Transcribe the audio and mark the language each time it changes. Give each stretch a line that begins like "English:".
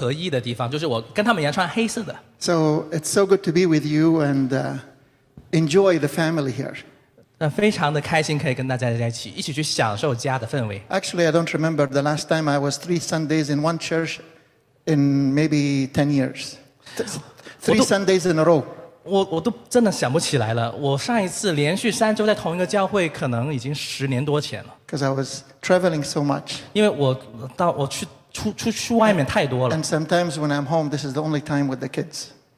Chinese: 但是我想这就是唯一样我可以跟跳舞队呢有一个合一的地方，就是我跟他们一样穿黑色的。
English: So it's so good to be with you and enjoy the family here.
Chinese: 非常的开心可以跟大家在一起，一起去享受家的氛围。
English: Actually, I don't remember the last time I was 3 Sundays in one church. In maybe 10 years, 3 Sundays in a row.
Chinese: 我都真的想不起来了。我上一次连续3周在同一个教会，可能已经10年多前了。
English: Because I was traveling so much.
Chinese: 因为我去外面太多了。
English: And sometimes when I'm home, this is the only time with the kids.